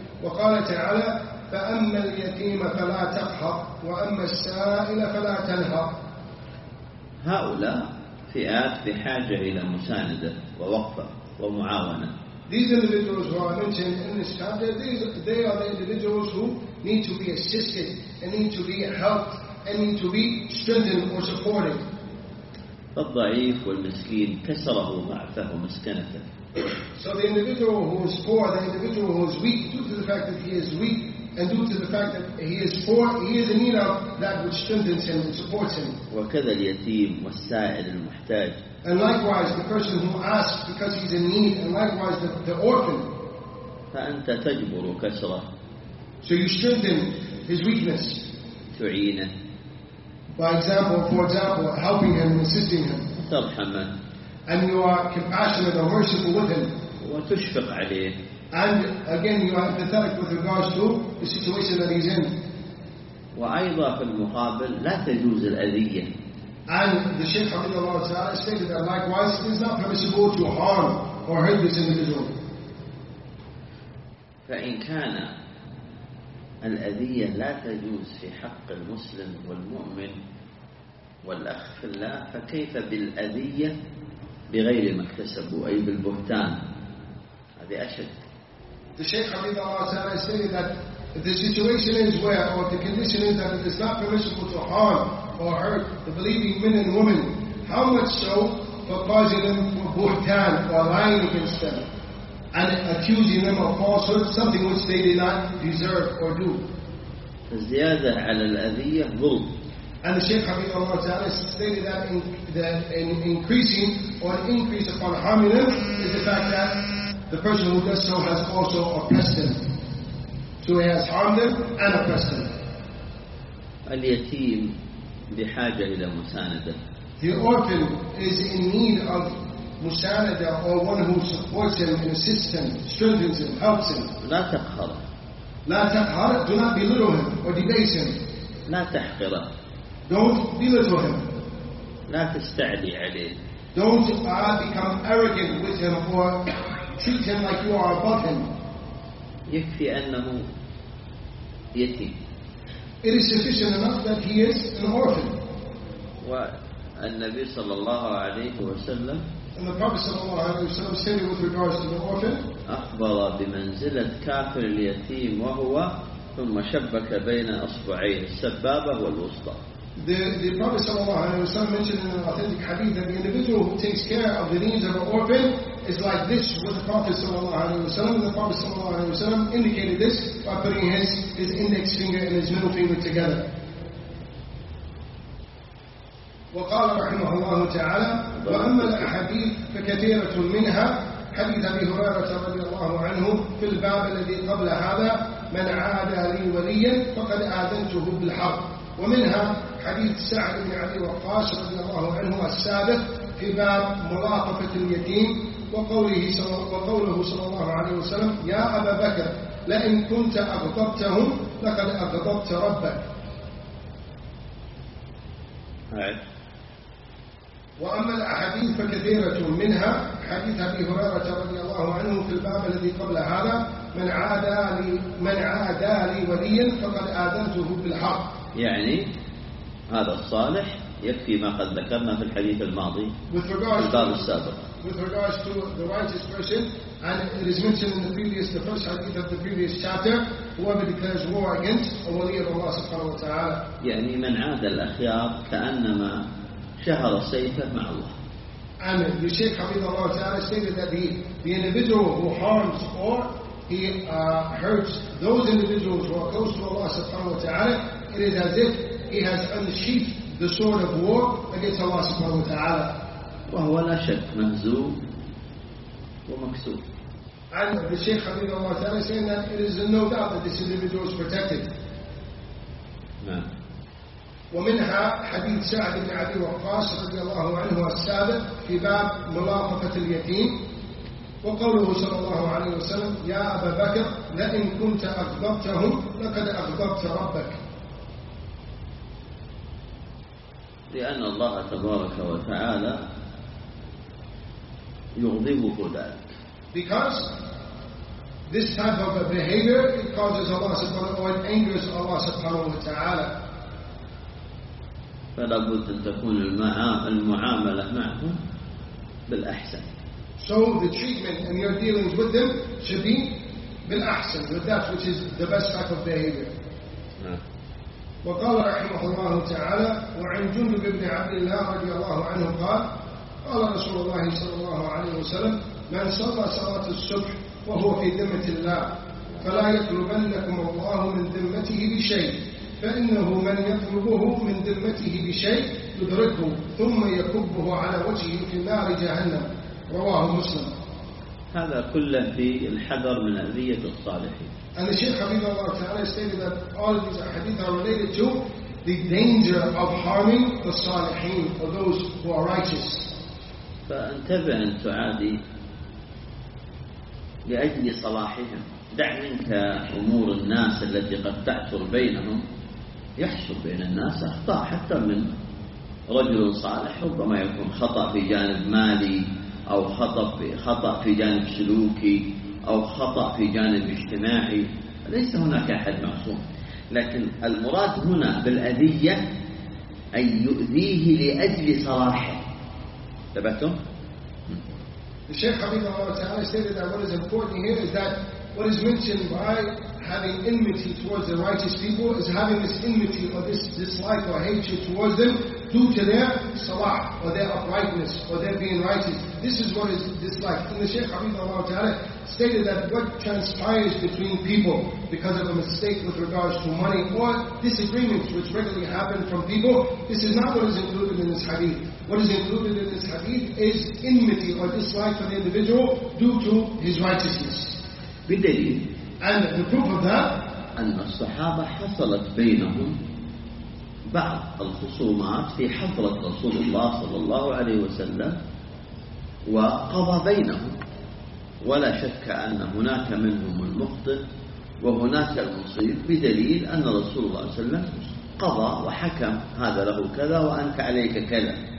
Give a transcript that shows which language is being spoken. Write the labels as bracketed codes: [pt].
[ar] وقال تعالى فأما اليتيم فلا تقهر وأما السائل فلا تنهر. هؤلاء فئات بحاجة إلى مساندة ووقفة ومعاونة. [en] These individuals who are mentioned in this chapter, they are the individuals who need to be assisted and need to be helped and need to be strengthened or supported. [ar] فالضعيف والمسكين كسره ضعفه مسكنته. [en] So the individual who is poor, the individual who is weak, due to the fact that he is weak and due to the fact that he is poor, he is in need of that which strengthens him and supports him. [ar] وكذا اليتيم والسائل المحتاج. [en] And likewise, the person who asks because he's in need, and likewise, the orphan. [ar] فأنت تجبر كسره. [en] So you strengthen his weakness. [ar] تعينه. [en] For example, helping him and assisting him. [ar] ترحمه. [en] And you are compassionate and merciful with him. [ar] وتشفق عليه. [en] And again, you are empathetic with regards to the situation that he's in. [ar] وأيضا في المقابل لا تجوز الأذية. [en] And the Shaykh Habibullah Ta'ala stated that likewise it is not permissible to harm or hurt this individual. [ar] فإن كان الأذية لا تجوز في حق المسلم والمؤمن والأخ في الله فكيف بالأذية بغير ما اكتسبوا أي بالبهتان؟ هذه أشد. [en] The Shaykh Hamid al-Azhar is saying that if the situation is where, or the condition is that it is not permissible to harm or hurt the believing men and women, how much so for causing them for buhtan, or lying against them, and accusing them of falsehood, something which they did not deserve or do. [ar] زيادة على الأذية ظلم. [en] And the Shaykh Habib Allah Ta'ala stated that increasing or an increase upon harming them is the fact that the person who does so has also oppressed them. So he has harmed them and oppressed them. [ar] اليتيم بحاجة إلى مساندة. [en] The orphan is in need of مساندة, or one who supports him and assists him, strengthens him, helps him. [ar] لا تقهر. لا تقهر. [en] Do not belittle him or debase him. [ar] لا تحقره. [en] Don't belittle him. [ar] لا تستعدي عليه. [en] Don't become arrogant with him or treat him like you are above him. [ar] يكفي أنه يتيم. [en] It is sufficient enough that he is an orphan. [ar] والنبي صلى الله عليه وسلم. [en] And the Prophet [ar] صلى الله عليه وسلم [en] said it with regards to the orphan. [ar] أخبر بمنزلة كافر اليتيم وهو ثم شبك بين أصبعيه السبابة والوسطى. [en] The Prophet [ar] صلى الله عليه وسلم [en] mentioned in an authentic hadith that the individual who takes care of the needs of an orphan is like this with the Prophet صلى الله عليه وسلم. The Prophet [ar] صلى الله عليه وسلم [en] indicated this by putting his index finger and his middle finger together. [ar] وقال رحمه الله تعالى وأما الأحاديث فكثيرة منها حديث أبي هريرة رضي الله عنه في الباب الذي قبل هذا من عادى لي وليا فقد آذنته بالحرب ومنها حديث سعد بن أبي وقاص رضي الله عنه السابق في باب ملاطفة اليتيم وقوله صلى الله عليه وسلم يا أبا بكر لئن كنت أغضبتهم لقد أغضبت ربك. وأما الأحاديث فكثيرة منها حديث أبي هريرة رضي الله عنه في الباب الذي قبل هذا من عادى لي وليا فقد آذنته بالحرب. يعني هذا الصالح يكفي ما قد ذكرنا في الحديث الماضي في الباب السابق. [en] With regards to the righteous person, and it is mentioned in the first hadith of the previous chapter, whoever declares war against a wali of Allah subhanahu wa ta'ala. [ar] يعني من عاد الأخيار كأنما شهر سيفه مع الله. [en] And the Shaykh Hafidh Allah Ta'ala stated that the individual who harms or he hurts those individuals who are close to Allah subhanahu wa ta'ala, it is as if he has unsheathed the sword of war against Allah subhanahu wa ta'ala. [ar] وهو لا شك مهزوم ومكسور. [en] And the Shaykh Hafidh Allah Ta'ala saying that it is no doubt that this individual is protected. [ar] ومنها حديث سعد بن أبي وقاص رضي الله عنه السابق في باب ملاطفة اليتيم وقوله صلى الله عليه وسلم يا أبا بكر لئن كنت أغضبتهم لقد أغضبت ربك. لأن الله تبارك وتعالى يغضبه ذلك. [en] Because this type of a behavior it causes Allah subhanahu wa ta'ala, or it angers Allah subhanahu wa ta'ala. [ar] فلا بد أن تكون المعاملة معهم بالأحسن. [en] So the treatment and your dealings with them should be بالأحسن, with that which is the best type of behavior. [ar] وقال رحمه الله تعالى وعن جندب بن عبد الله رضي الله عنه قال قال رسول الله صلى الله عليه وسلم من صلى صلاة الصبح وهو في ذمة الله فلا يطلبنكم الله من ذمته بشيء فإنه من يطلبه من ذمته بشيء يدركه ثم يكبه على وجهه في نار جهنم رواه مسلم. هذا كله في الحذر من أذية الصالحين. [en] And the Shaykh Hafidh Allah Ta'ala stated that all of these hadith are related to the danger of harming the salihin, or those who are righteous. [ar] فانتبه أن تعادي لأجل صلاحهم, دع منك أمور الناس التي قد تعثر بينهم. يحصل بين الناس أخطاء حتى من رجل صالح, ربما يكون خطأ في جانب مالي أو خطأ في جانب سلوكي أو خطأ في جانب اجتماعي, ليس هناك أحد معصوم. لكن المراد هنا بالأذية أن يؤذيه لأجل صلاحه. تبعتم؟ الشيخ حبيب الله تعالى [en] stated that what is important here is that what is mentioned by having enmity towards the righteous people is having this enmity or this dislike or hatred towards them due to their salah or their uprightness or their being righteous. This is what is dislike. And the Shaykh Hafidhahullah Ta'ala stated that what transpires between people because of a mistake with regards to money or disagreements which regularly happen from people, this is not what is included in this hadith. What is included in this hadith is enmity or dislike for the individual due to his righteousness. And the proof of that, [ar] أن الصحابة حصلت بينهم بعض الخصومات في حضرة رسول الله صلى الله عليه وسلم وقضى بينهم ولا شك أن هناك منهم المخطئ وهناك المصيب بدليل أن رسول الله صلى الله عليه وسلم قضى وحكم هذا له كذا وأنت عليك كذا